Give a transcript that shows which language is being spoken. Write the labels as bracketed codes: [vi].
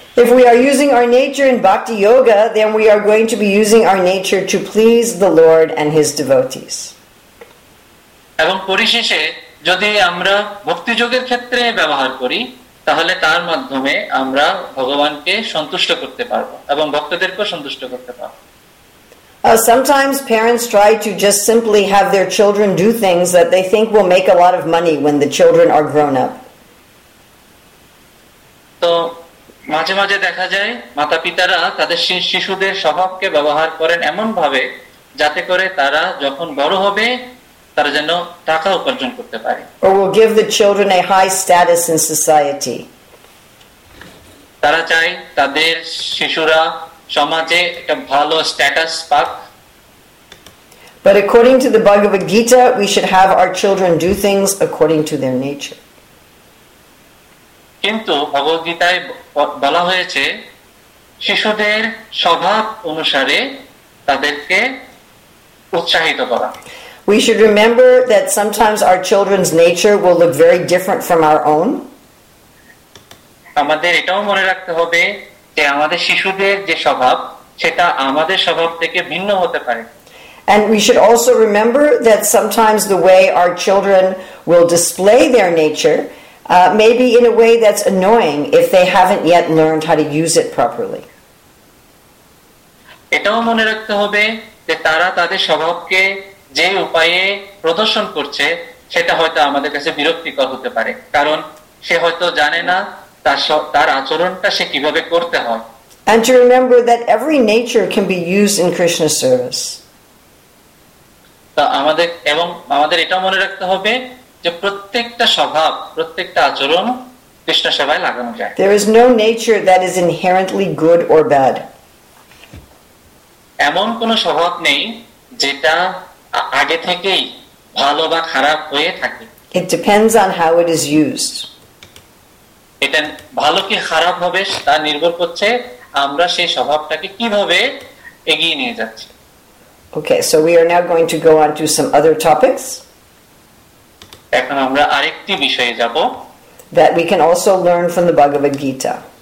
[en] If we are using our nature in bhakti yoga, then we are going to be using our nature to please the Lord and his devotees. [bn] এবং পরিশেষে যদি আমরা ভক্তি যোগের ক্ষেত্রে ব্যবহার করি তাহলে তার মাধ্যমে আমরা ভগবানকে সন্তুষ্ট করতে পারবো এবং ভক্তদেরকে সন্তুষ্ট করতে পারবো. [en] Sometimes parents try to just simply have their children do things that they think will make a lot of money when the children are grown up. [bn] তো মাঝে মাঝে দেখা যায় মাতাপিতারা তাদের শিশুদের স্বভাবকে ব্যবহার করেন এমন ভাবে যাতে করে তারা যখন বড় হবে তারা যেন টাকা উপার্জন করতে পারে. [en] Or will give the children a high status in society. [bn] তারা চায় তাদের শিশুরা সমাজে একটা ভালো স্ট্যাটাস পাক. [en] But according to the Bhagavad Gita, we should have our children do things according to their nature. [bn] কিন্তু ভগবদ গীতায় বলা হয়েছে শিশুদের স্বভাব অনুসারে তাদেরকে উৎসাহিত করা. [en] We should remember that sometimes our children's nature will look very different from our own. [bn] আমাদের এটাও মনে রাখতে হবে যে আমাদের শিশুদের যে স্বভাব সেটা আমাদের স্বভাব থেকে ভিন্ন হতে পারে. [en] And we should also remember that sometimes the way our children will display their nature may be in a way that's annoying if they haven't yet learned how to use it properly. [bn] এটাও মনে রাখতে হবে যে তারা তাদের স্বভাবকে যে উপায়ে প্রদর্শন করছে সেটা হয়তো আমাদের কাছে বিরক্তিকর হতে পারে কারণ সে হয়তো জানে না তার আচরণটা সে কিভাবে করতে হয়. [en] And to remember that every nature can be used in Krishna's service. [bn] তো আমাদের এবং আমাদের এটা মনে রাখতে হবে যে প্রত্যেকটা স্বভাব প্রত্যেকটা আচরণ কৃষ্ণ সেবায় লাগানো যায়. [en] There is no nature that is inherently good or bad. [bn] এমন কোন স্বভাব নেই যেটা আগে থেকেই ভালো বা খারাপ হয়ে থাকে. [en] It depends on how it is used. [bn] এটা ভালো কি খারাপ হবে তা নির্ভর করছে আমরা সেই স্বভাবটাকে কিভাবে এগিয়ে নিয়ে যাচ্ছি. [en] Okay, so we are now going to go on to some other topics. [bn] এখন আমরা আরেকটি বিষয়ে যাব. [en] That we can also learn from the Bhagavad Gita.